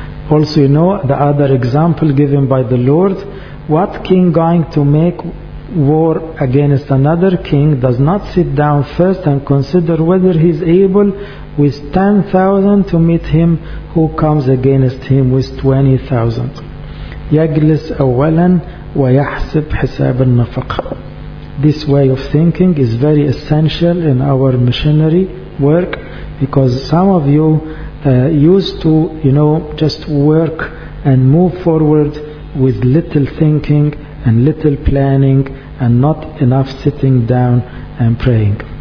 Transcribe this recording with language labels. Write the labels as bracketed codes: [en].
[en] Also, you know the other example given by the Lord, what king going to make war against another king does not sit down first and consider whether he is able with 10,000 to meet him who comes against him with 20,000. [ar] يجلس أولا ويحسب حساب النفق. [en] This way of thinking is very essential in our missionary work, because some of you used to, you know, just work and move forward with little thinking and little planning and not enough sitting down and praying.